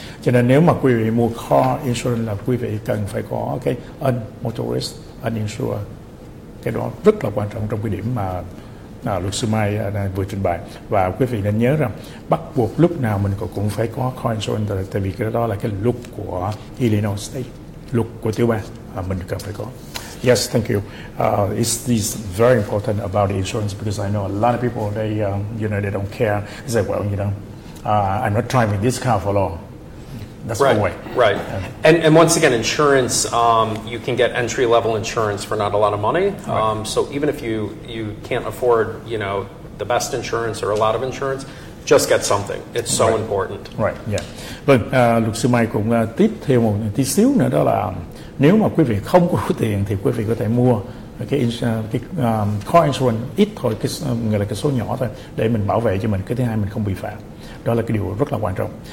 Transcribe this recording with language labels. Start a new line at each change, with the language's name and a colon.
Vietnamese: Cho nên nếu mà quý vị mua car insurance là quý vị cần phải có cái motorist uninsured, cái đó rất là quan trọng trong cái điểm mà luật sư Mai vừa trình bày. Và quý vị nên nhớ rằng bắt buộc lúc nào mình cũng phải có car insurance, tại vì cái đó là cái luật của Illinois State, luật của tiểu bang mình cần phải có.
English: Yes, thank you. It's very important about the insurance, because I know a lot of people, they don't care. They say, I'm not driving this car for long. That's right, the way. Right. And once again, insurance, you can get entry-level insurance for not a lot of money. Right. So even if you can't afford, the best insurance or a lot of insurance, just get something. It's so right. Important. Right, yeah.
Vietnamese: Vâng, luật sư Mai cũng tiếp thêm một tí xíu nữa, đó là nếu mà quý vị không có tiền thì quý vị có thể mua cái car insurance ít thôi, người là cái số nhỏ thôi, để mình bảo vệ cho mình. Cái thứ hai, mình không bị phạt. Đó là cái điều rất là quan trọng.